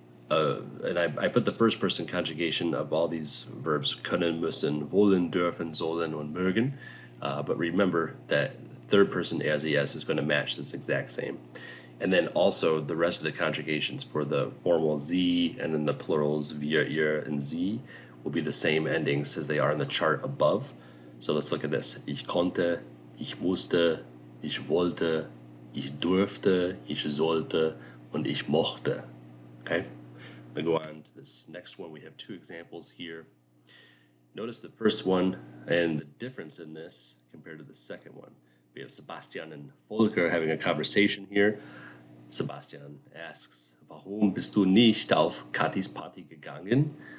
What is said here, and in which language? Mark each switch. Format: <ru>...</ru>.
<en>And I put the first person conjugation of all these verbs,</en> <de>können, müssen, wollen, dürfen, sollen, und mögen.</de> <en>But remember that third person,</en> <de>er, sie, es,</de> <en>is going to match this exact same. And then also the rest of the conjugations for the formal Z and then the plurals wir, ihr, and Z will be the same endings as they are in the chart above. So let's look at this.</en> <de>Ich konnte, ich musste, ich wollte, ich durfte, ich sollte, und ich mochte.</de> <en>Okay? I'm going to go on to this next one. We have two examples here. Notice the first one and the difference in this compared to the second one. We have Sebastian and Volker having a conversation here. Sebastian asks,</en> <de>warum bist du nicht auf Katis Party gegangen?</de>